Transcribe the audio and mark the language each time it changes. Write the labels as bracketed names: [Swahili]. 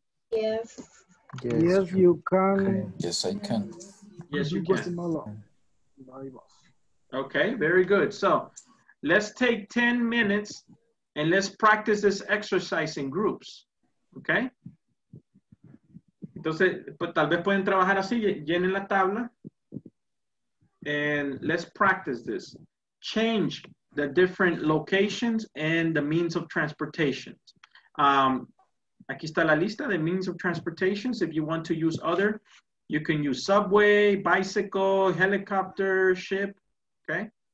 [English] Yes, you can. Yes, you can. Guatemala. Okay, very good. So let's take 10 minutes and let's practice this exercise in groups. Okay? [Spanish] Entonces, pues, tal vez pueden trabajar así, llenen la tabla. [English] And let's practice this. Change the different locations and the means of transportation. [Spanish] Aquí está la lista de [English] means of transportation. If you want to use other, you can use subway, bicycle, helicopter, ship, okay?